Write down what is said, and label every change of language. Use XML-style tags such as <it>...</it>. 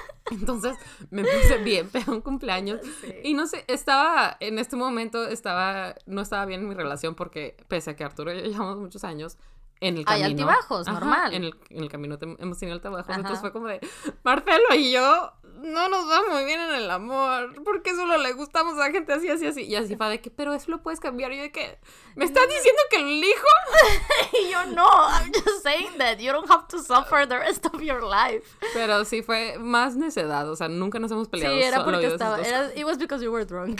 <es>Entonces me puse bien, pero un cumpleaños. Sí. Y no sé, estaba en este momento, estaba, no estaba bien en mi relación porque, pese a que Arturo y yo llevamos muchos años en el camino. Hay altibajos, ajá, normal. En el camino hemos tenido altibajos. Ajá. Entonces fue como de, Marcelo y yo no nos va muy bien en el amor porque solo le gustamos a gente así, así, así. Y así fue de que, pero eso lo puedes cambiar. Y yo de que, ¿me estás diciendo que lo elijo? Y yo, no,</es> <en>I'm just saying that you don't have to suffer the rest of your life.</en> <es>Pero sí fue más necedad, o sea, nunca nos hemos peleado. Sí, era porque estaba, era,</es> <en>it was because you were drunk.</en>